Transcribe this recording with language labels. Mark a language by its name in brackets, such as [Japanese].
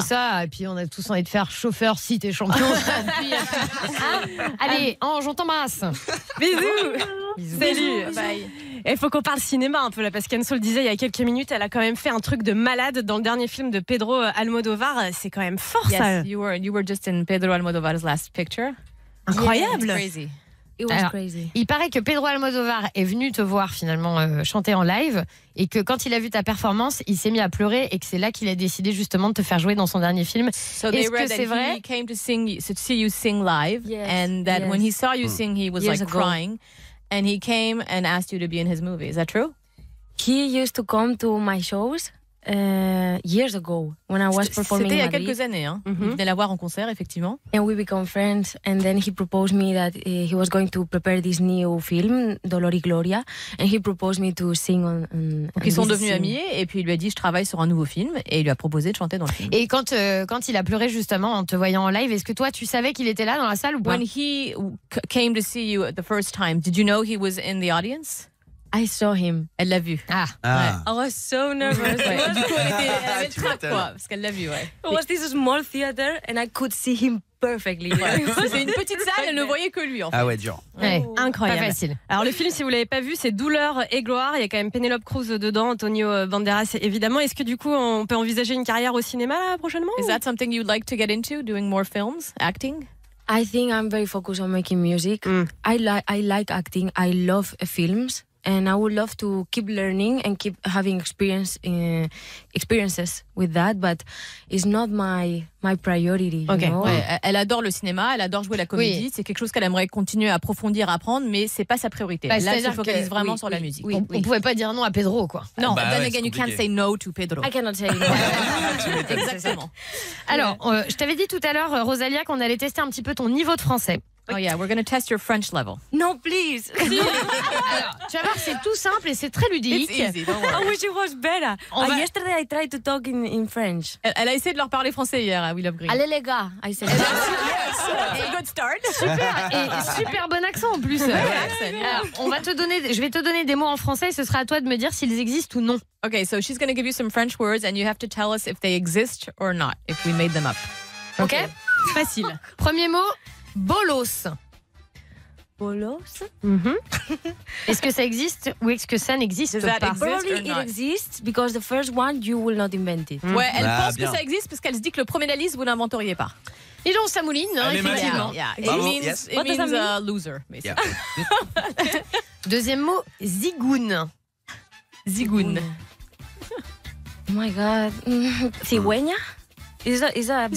[French] Ça. Et puis on a tous envie de faire chauffeur si t'es champion. Allez, Ange, on t'embrasse. Bisous. Bisous. [English] Bye. [French] Et faut qu'on parle cinéma un peu là, parce qu'Anne Soul disait il y a quelques minutes, elle a quand même fait un truc de malade dans le dernier film de Pedro Almodovar. C'est quand même fort, [English] yes, [French] ça. [English] You were just in Pedro Almodovar's last picture. [French] Incroyable. [English] Yeah, crazy. It was crazy. [French] Il paraît que Pedro Almodovar est venu te voir finalement chanter en live et que quand il a vu ta performance, il s'est mis à pleurer et que c'est là qu'il a décidé justement de te faire jouer dans son dernier film. [English] So [French] est-ce que c'est vrai? [English] He came to sing, to see you sing live, yes, and that yes. when he saw you sing, he was years like crying, ago. And he came and asked you to be in his movie. Is that true? He used to come to my shows years ago when I was performing. [French] C'était il y a quelques années, hein. Mm-hmm. Il venait la voir en concert, effectivement. [English] And we became friends, and then he proposed me that he was going to prepare this new film, Dolor y Gloria, and he proposed me to sing on. [French] Donc ils sont devenus amis, et puis il lui a dit je travaille sur un nouveau film, et il lui a proposé de chanter dans le film. Et quand il a pleuré justement en te voyant en live, est-ce que toi tu savais qu'il était là dans la salle ou pas? [English] When he came to see you the first time, did you know he was in the audience? I saw him. [French] Elle l'a vu. Ah. [English] I was so nervous. [French] Du coup, elle était trop quoi, parce qu'elle l'a vu, ouais. [English] It was this small theater and I could see him perfectly. [French] C'est une petite salle, elle ne voyait que lui, en fait. Ah ouais, dur. Ouais. Oh. Incroyable. Pas facile. Alors le film, si vous ne l'avez pas vu, c'est Douleur et Gloire. Il y a quand même Penélope Cruz dedans, Antonio Banderas, évidemment. Est-ce que du coup, on peut envisager une carrière au cinéma là, prochainement? [English] Is that something you'd like to get into, doing more films, acting? I think I'm very focused on making music. Mm. I like acting, I love films. And I would love to keep learning and keep having experiences with that, but it's not my priority. Okay. You know? [French] Ouais, elle adore le cinéma, elle adore jouer la comédie. Oui. C'est quelque chose qu'elle aimerait continuer à approfondir, à apprendre, mais c'est pas sa priorité. Bah, là, elle se focalise vraiment sur la musique. Oui, on pouvait pas dire non à Pedro, quoi. Non. [English] Bah, then ouais, again, you can't say no to Pedro. I cannot say no. [French] Exactement. Alors, je t'avais dit tout à l'heure, Rosalia, qu'on allait tester un petit peu ton niveau de français. [English] Oh yeah, we're going to test your French level. No, please. [French] Alors, tu vas voir, c'est tout simple et c'est très ludique. [English] It's easy, don't worry. I wish it was better. Yesterday, I tried to talk in French. [French] Elle a essayé de leur parler français hier à We Love Green. Allez les gars, [English] I said. Yes, good start. [French] Super bon accent en plus. Ouais, je vais te donner des mots en français et ce sera à toi de me dire s'ils existent ou non. [English] Okay, so she's going to give you some French words and you have to tell us if they exist or not, if we made them up. [French] Okay, facile. Premier mot. Bolos. Bolos. Mm-hmm. Est-ce que ça existe ou est-ce que ça n'existe [English] Does that [French] pas? [English] Exist Probably or not? It exists because the first one you will not invent it. [French] Ouais, elle pense bien. Que ça existe parce qu'elle se dit que le premier de la liste vous n'inventeriez pas. Et donc ça mouline, hein, effectivement. [English] Yeah. It means loser. Yeah. [French] Deuxième mot, zigoun. Zigoun. [English] Oh my God, cigüeña. Is that a bird?